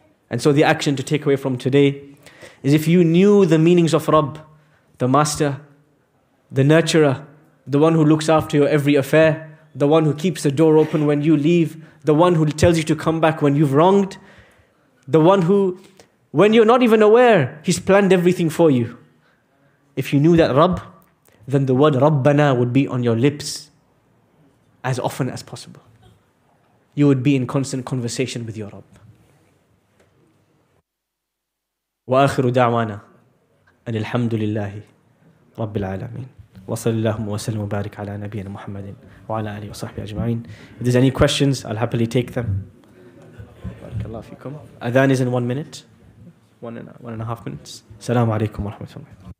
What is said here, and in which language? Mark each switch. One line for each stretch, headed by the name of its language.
English: And so the action to take away from today is if you knew the meanings of Rabb, the master, the nurturer, the one who looks after your every affair, the one who keeps the door open when you leave, the one who tells you to come back when you've wronged, the one who, when you're not even aware, he's planned everything for you. If you knew that Rabb, then the word Rabbana would be on your lips as often as possible. You would be in constant conversation with your Rabb.
Arabic: وآخر دعوانا أن الحمد لله رب العالمين وصلى الله وسلم وبارك على نبينا محمد وعلى آله وصحبه أجمعين.
English: If there's any questions, I'll happily take them.
Arabic: بارك الله فيكم.
English: Adhan is in 1 minute, 1 and a half minutes.
Arabic: السلام عليكم ورحمة الله.